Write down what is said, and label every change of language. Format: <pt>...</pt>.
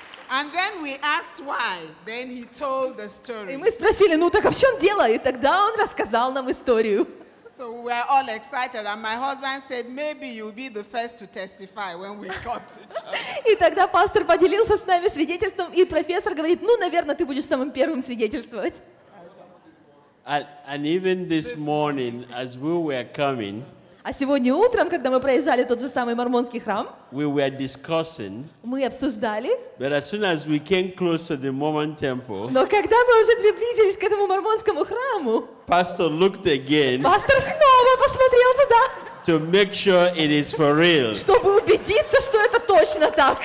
<en>And then we asked why. Then he told the story.</en> <ru>И мы спросили, ну так а в чем дело? И тогда он рассказал нам историю.</ru> <en>So we were all excited, and my husband said, maybe you'll be the first to testify when we come to church.</en> <ru>И тогда пастор поделился с нами свидетельством, и профессор говорит, ну наверное ты будешь самым первым свидетельствовать.</ru> <en>And even this morning, as we were coming.</en> <ru>А сегодня утром, когда мы проезжали тот же самый мормонский храм,</ru> <en>we were discussing,</en> <ru>мы обсуждали,</ru> <en>but as soon as we came close to the Mormon temple,</en> <ru>но когда мы уже приблизились к этому мормонскому храму,</ru> <en>pastor looked again,</en> <ru>пастор снова посмотрел туда,</ru> <en>to make sure it is for real,</en> <ru>чтобы убедиться, что это точно так.</ru>